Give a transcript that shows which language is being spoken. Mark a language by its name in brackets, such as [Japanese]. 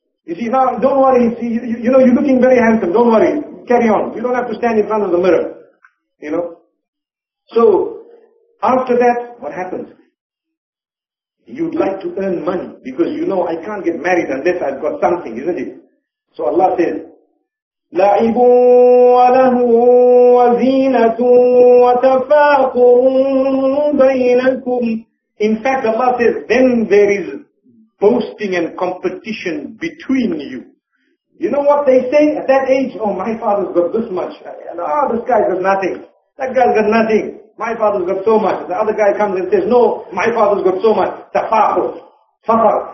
[English] You see, now, don't worry, you know, you're looking very handsome, don't worry, carry on. You don't have to stand in front of the mirror, you know. So, after that, what happens? You'd like to earn money, because you know, I can't get married unless I've got something, isn't it? So Allah says, [Arabic] لَعِبٌ وَلَهُوٌ وَزِينَةٌ وَتَفَاقُرٌ بَيْنَكُمْ. [English] In fact, Allah says, then there is boasting and competition between you. You know what they say at that age? Oh, my father's got this much. Oh, this guy's got nothing. That guy's got nothing. My father's got so much. The other guy comes and says, no, my father's got so much. Tafakur. Fakur.